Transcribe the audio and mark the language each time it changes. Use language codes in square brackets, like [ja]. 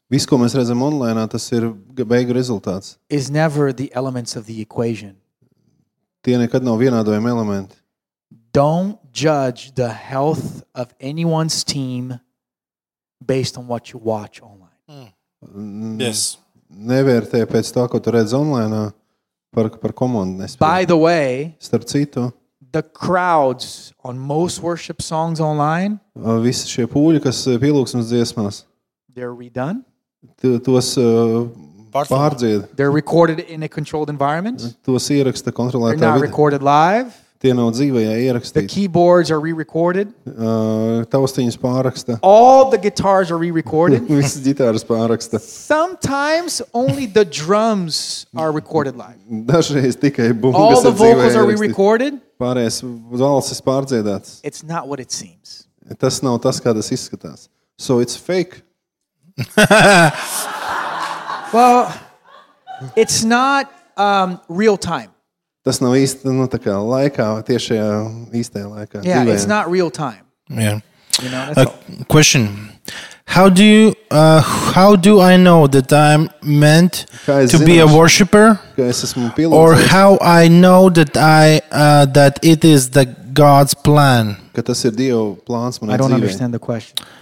[lv] Viss, ko mēs redzam online, tas ir beigu rezultāts. [en] Is never the elements of the equation. [lv] Tie nekad nav vienādojami elementi. [en] Don't judge the health of anyone's team based on what you watch online. Mm. Yes. [lv] Nevērtē pēc tā, ko tu redzi online, par komandu nespēju. [en] By the way, [lv] starp citu, [en] the crowds on most worship songs online, [lv] visi šie pūļi, kas pielūksmes dziesmās, [en] they're redone. [lv] Tos pārdzied. [en] They're recorded in a controlled environment. [lv] Tos ieraksta kontrolētā vidē. [en] They're not recorded live. [lv] Tie nav dzīvajā ierakstīti. [en] The keyboards are re-recorded. [lv] Taustiņas pāraksta. [en] All the guitars are re-recorded. [lv] Visas ģitāras pāraksta. [en] Sometimes only the drums are recorded live. [lv] Dažreiz tikai bungas ir dzīvajā ierakstīti. [en] All the vocals are re-recorded. [lv] Pārējais vals ir pārdziedāts. [en] It's not what it seems. [lv] Tas nav tas, kā tas izskatās. [en] So it's fake. Well, it's not real time. [lv] Tas nav īsti, nu, tā kā laikā, tiešajā īstajā laikā. [en] Yeah, it's not real time. Yeah. You know, that's all. Question. How do I know that I'm meant to be a worshipper? Or how I know that that it is the God's plan? [lv] Ka tas ir Dieva plāns manai [en] I don't understand the question.